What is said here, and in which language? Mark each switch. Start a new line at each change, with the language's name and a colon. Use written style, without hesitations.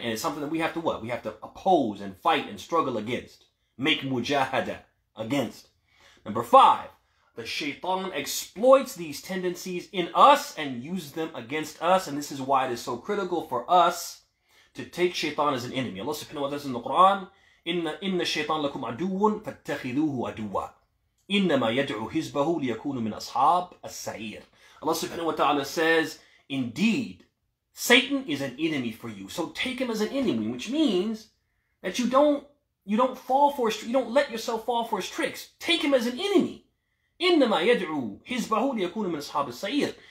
English: And it's something that we have to what? We have to oppose and fight and struggle against. Make mujahada against. Number five, the shaitan exploits these tendencies in us and uses them against us. And this is why it is so critical for us to take shaitan as an enemy. Allah subhanahu wa ta'ala says in the Quran,
Arabic: إِنَّ الشَّيْطَانَ لَكُمْ عَدُوٌ فَاتَّخِذُوهُ عَدُوًا إِنَّمَا يَدْعُوا حِزْبَهُ لِيَكُونُ مِنْ أَصْحَابِ السَّعِيرِ.
English: Allah subhanahu wa ta'ala says, indeed, Satan is an enemy for you. So take him as an enemy, which means that you don't fall for his, you don't let yourself fall for his tricks. Take him as an enemy.
Arabic: إِنَّمَا يَدْعُوا حِزْبَهُ لِيَكُونُ مِنْ أَصْحَابِ السَّعِيرِ.